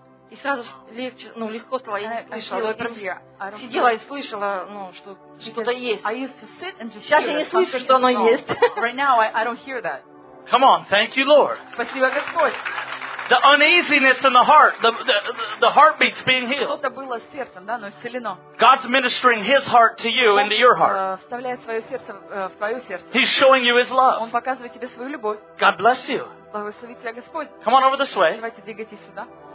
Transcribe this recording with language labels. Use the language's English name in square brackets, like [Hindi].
[Russian] И сразу легче, ну, легко стало, я слышала, сидела и слышала, ну, что что-то есть. Сейчас я не слышу, что оно есть. [English] Come on, thank you, Lord. [Russian] Спасибо, Господь. [English] The uneasiness in the heart, the heartbeats being healed. [Russian] Что-то было с сердцем, да, но исцелено. [English] God's ministering His heart to you into your heart. [Russian] Вставляет свое сердце в твое сердце. [English] He's showing you His love. [Russian] Он показывает тебе свою любовь. [English] God bless you. [Russian] Благослови тебя, Господь. [English] Come on over this way. [Russian] Давайте двигайтесь сюда.